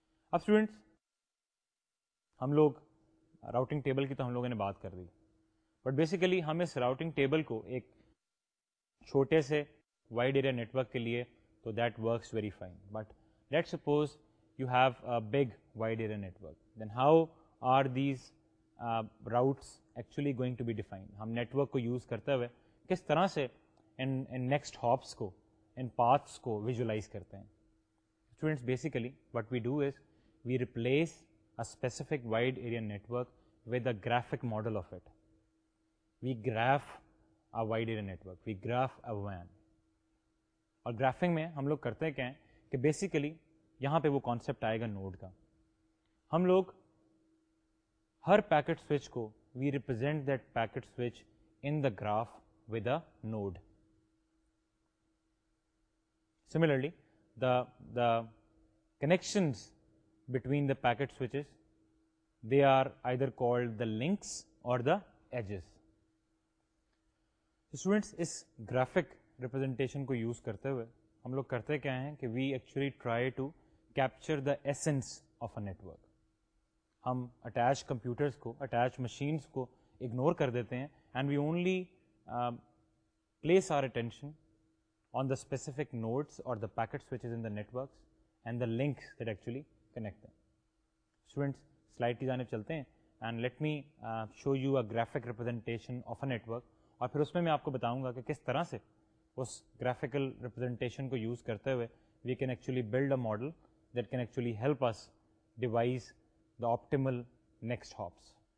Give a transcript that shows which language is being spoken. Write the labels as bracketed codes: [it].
[ur] اب اسٹوڈینٹس, ہم لوگ راؤٹنگ ٹیبل کی تو ہم لوگوں نے بات کر دی, [en] but basically [ur] ہم اس راؤٹنگ ٹیبل کو ایک چھوٹے سے وائڈ ایریا نیٹ ورک کے لیے تو [en] That works very fine, but let suppose you have a big wide area network, then how are these routes actually going to be define. [ur] ہم net work کو use کرتے ہوئے کس طرح سے ان نیکسٹ ہاپس کو, ان paths کو visualise کرتے ہیں. [en] Students, basically what we do is we replace a specific wide area network with a graphic model of it. We graph a wide area network, we graph a WAN. [ur] اور graphing میں ہم لوگ کرتے کیا ہیں کہ basically یہاں پہ وہ کانسیپٹ آئے گا نوڈ کا. ہم لوگ ہر پیکٹ سوئچ کو [en] We represent that packet switch in the graph with a node. Similarly the connections between the packet switches they are either called the links or the edges. [ur] Students, اس graphic representation کو use کرتے ہوئے ہم لوگ کرتے کیا ہیں کہ [en] We actually try to capture the essence of a network. [ur] ہم اٹیچ کمپیوٹرس کو, اٹیچ مشینس کو اگنور کر دیتے ہیں, [en] And we only place our attention on the specific nodes اور the packet switches in the networks and the links that actually connect. Students, [ur] slide کی جانب چلتے ہیں, [en] and let me show you a graphic representation of a network, [ur] اور پھر اس میں آپ کو بتاؤں گا کہ کس طرح سے اس گرافیکل ریپرزنٹیشن کو یوز کرتے ہوئے [en] We can actually build a model that can actually help us devise the optimal next hops.